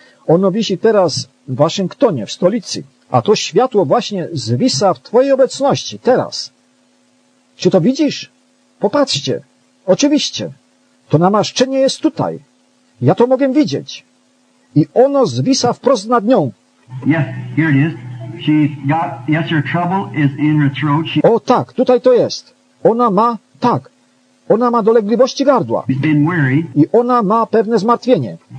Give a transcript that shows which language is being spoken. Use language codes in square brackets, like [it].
[pl] Ono wisi teraz w Waszyngtonie, w stolicy. A to światło właśnie zwisa w Twojej obecności, teraz. Czy to widzisz? Popatrzcie. Oczywiście. To namaszczenie jest tutaj. Ja to mogę widzieć. I ono zwisa wprost nad nią. [en] Yes, here it is. She's got, yes, her trouble is in her throat. [pl] O tak, tutaj to jest. Ona ma, tak. Ona ma dolegliwości gardła. [en] She's been worried. [pl] I ona ma pewne zmartwienie.